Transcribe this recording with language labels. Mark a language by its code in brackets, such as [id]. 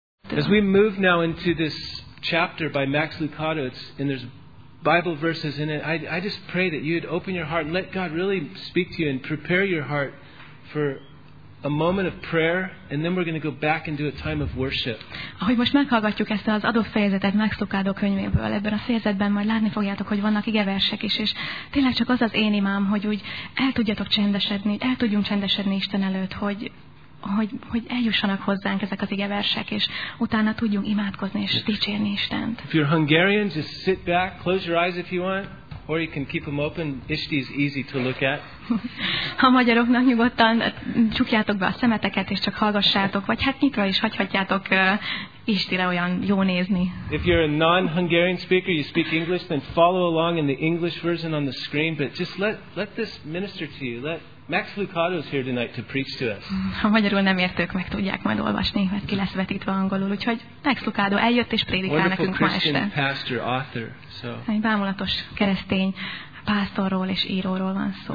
[en] As we move now into this chapter by Max Lucado, and there's Bible verses in it, I just pray that you'd open your heart and let God really speak to you and prepare your heart for a moment of prayer, and then we're going to go back and do a time of worship. [hu] Ahogy most meghallgatjuk ezt az adott fejezetet Max Lucado könyvéből, ebben a fejezetben majd látni fogjátok, hogy vannak igeversek is, és tényleg csak az az én imám, hogy úgy el tudjatok csendesedni, el tudjunk csendesedni Isten előtt, hogy eljussanak hozzánk ezek az igeversek, és utána tudjunk imádkozni és dicsérni Istent. [en] If you're Hungarian, just sit back, close your eyes if you want, or you can keep them open. Isti is easy to look at. [hu] Ha magyaroknak nyugodtan csukjátok be a szemeteket és csak hallgassátok, vagy hát nyitva is hagyhatjátok Istire olyan jó nézni. [en] If you're a non-Hungarian speaker, you speak English, then follow along in the English version on the screen, but just let this minister to you. Let Max Lucado is here tonight to preach to us. [hu] Ha magyarul nem értők, meg tudják majd olvasni, mert ki lesz vetítve angolul. Úgyhogy Max Lucado eljött és prédikál [en] wonderful [hu] nekünk [en] Christian [hu] ma este. [en] Wonderful Christian pastor, author. So. [hu] Egy bámulatos keresztény pásztorról és íróról van szó.